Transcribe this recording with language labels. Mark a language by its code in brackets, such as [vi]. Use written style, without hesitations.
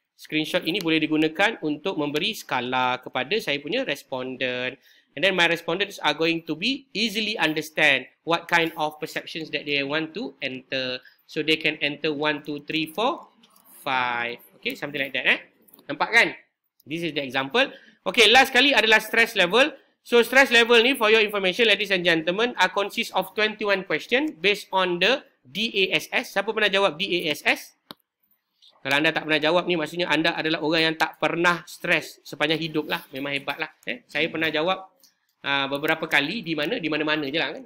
[ms] Screenshot ini boleh digunakan untuk memberi skala kepada saya punya respondent. [en] And then my respondents are going to be easily understand what kind of perceptions that they want to enter. So they can enter 1, 2, 3, 4, 5. Okay, something like that eh. [ms] Nampak kan? [en] This is the example. [ms] Okay, last kali adalah stress level. [en] So stress level ni, for your information ladies and gentlemen, are consists of 21 question based on the DASS. [ms] Siapa pernah jawab DASS? Kalau anda tak pernah jawab ni, maksudnya anda adalah orang yang tak pernah stress sepanjang hidup lah. Memang hebat lah. Eh? Saya pernah jawab beberapa kali di mana, di mana-mana je lah kan.